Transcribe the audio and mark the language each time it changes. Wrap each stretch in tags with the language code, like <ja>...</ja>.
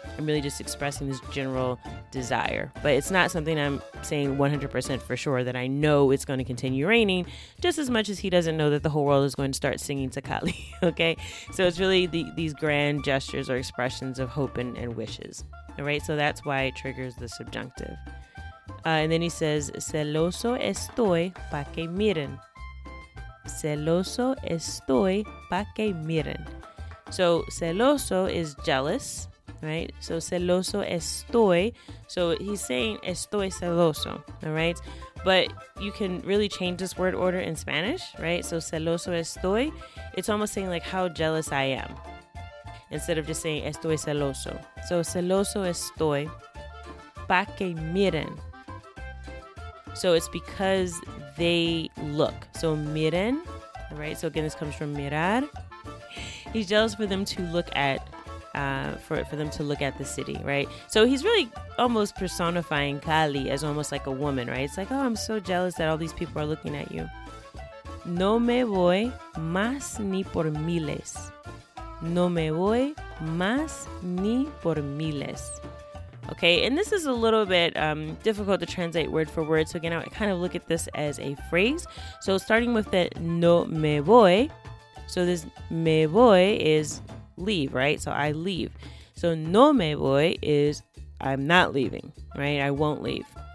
<en>I'm really just expressing this general desire. But it's not something I'm saying 100% for sure that I know it's going to continue raining, just as much as he doesn't know that the whole world is going to start singing to Cali, okay? So it's really these grand gestures or expressions of hope and wishes, all right? So that's why it triggers the subjunctive. And then he says,</en> <es>celoso estoy pa que miren. Celoso estoy pa que miren.</es> <en>So celoso is jealous, right? So</en> <es>celoso estoy.</es> <en>So he's saying</en> <es>estoy celoso,</es> <en>all right? But you can really change this word order in Spanish, right? So</en> <es>celoso estoy,</es> <en>it's almost saying like how jealous I am, instead of just saying</en> <es>estoy celoso. So celoso estoy pa que miren.</es> <en>So it's because they look. So miren, right? So again, this comes from mirar. He's jealous for them to look at, for them to look at the city, right? So he's really almost personifying Cali as almost like a woman, right? It's like, oh, I'm so jealous that all these people are looking at you.</en> <es>No me voy más ni por miles. No me voy más ni por miles.</es> <en>Okay, and this is a little bit difficult to translate word for word. So again, I kind of look at this as a phrase. So starting with the</en> <es>no me voy.</es> <en>So this</en> <es>me voy</es> <en>is leave, right? So I leave. So</en> <es>no me voy</es> <en>is I'm not leaving, right? I won't leave.</en>